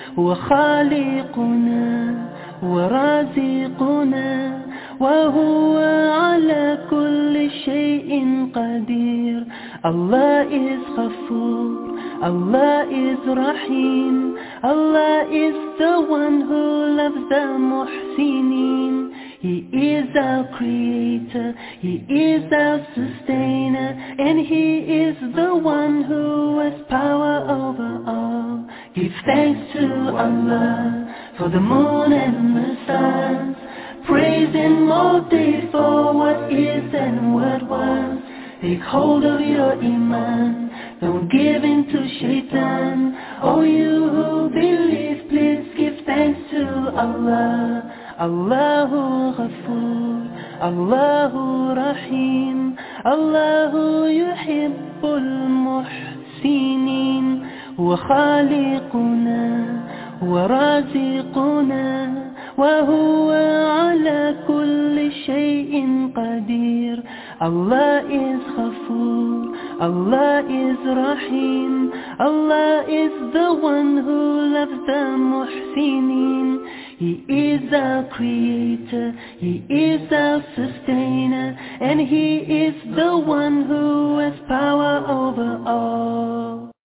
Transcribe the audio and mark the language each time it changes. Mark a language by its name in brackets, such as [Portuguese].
[Arabic] وخالقنا ورازقنا وهو على كل شيء قدير. [English] Allah is Ghafoor, Allah is Rahim, Allah is the one who loves the Muhsinin. He is our creator, He is our sustainer, and He is the one who has power over all. Give thanks to Allah for the moon and the stars. Praise Him all day for what is and what was. Take hold of your iman, don't give in to shaitan. Oh, you who believe, please give thanks to Allah. [Arabic] Allahu Ghafoor, Allahu Rahim, Allahu Yuhibbul Muhsinin. وخالقنا ورازقنا وهو على كل شيء قدير. [English] Allah is Ghafoor, Allah is Rahim, Allah is the one who loves the Muhsinin. He is our creator, He is our sustainer, and He is the one who has power over all.